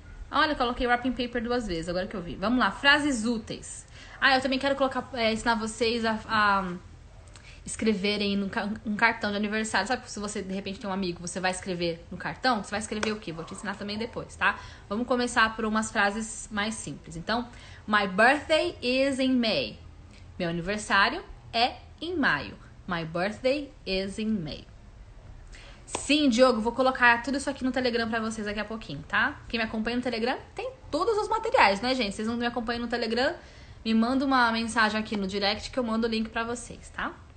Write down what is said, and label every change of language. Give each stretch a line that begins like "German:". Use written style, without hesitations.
Portuguese: Olha, eu coloquei wrapping paper duas vezes, agora que eu vi. Vamos lá, frases úteis. Ah, eu também quero colocar, ensinar vocês a escreverem no um cartão de aniversário. Sabe, se você de repente tem um amigo, você vai escrever no cartão? Você vai escrever o quê? Vou te ensinar também depois, tá? Vamos começar por umas frases mais simples.
English: Então, My birthday is in May.
Portuguese: Meu aniversário é em maio.
English: My birthday is in May.
Portuguese: Sim, Diogo, vou colocar tudo isso aqui no Telegram para vocês daqui a pouquinho, tá? Quem me acompanha no Telegram tem todos os materiais, né, gente? Vocês não me acompanham no Telegram? Me manda uma mensagem aqui no direct que eu mando o link para vocês, tá?